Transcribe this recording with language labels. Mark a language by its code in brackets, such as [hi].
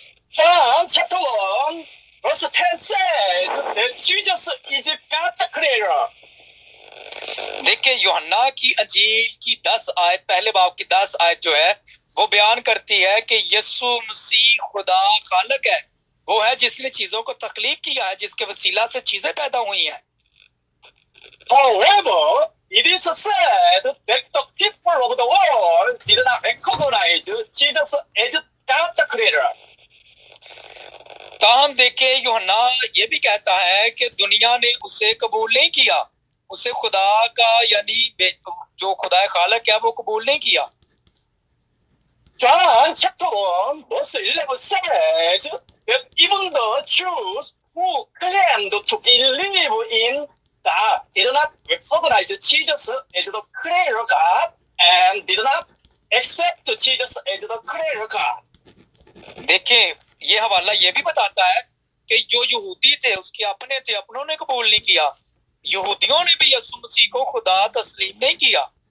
[hi] 형, 최초원, 벌써 10세, 내 주저스 이제 까짝클레이러. देखिए योहन्ना की अंजील की 10 आयत, पहले बाब की 10 आयत जो है वो बयान करती है कि यीशु मसीह खुदा खालक है, वो है जिसने चीजों को तकलीफ किया है, जिसके वसीला से चीजें पैदा हुई हैं। [en] However, it is said that the people of the world did not recognize Jesus as God the Creator. [hi] ताहम देखे योहन्ना ये भी कहता है कि दुनिया ने उसे कबूल नहीं किया, उसे खुदा का यानी जो खुदा खालक है वो कबूल नहीं किया। [en] John chapter 1 verse 11 says that even the Jews who claimed to believe in God did not recognize Jesus as the Creator God and did not accept Jesus as the Creator God. [hi] देखे ये हवाला ये भी बताता है कि जो यहूदी थे उसके अपने थे, अपनों ने कबूल नहीं किया, यहूदियों ने भी यीशु मसीह को खुदा तस्लीम नहीं किया।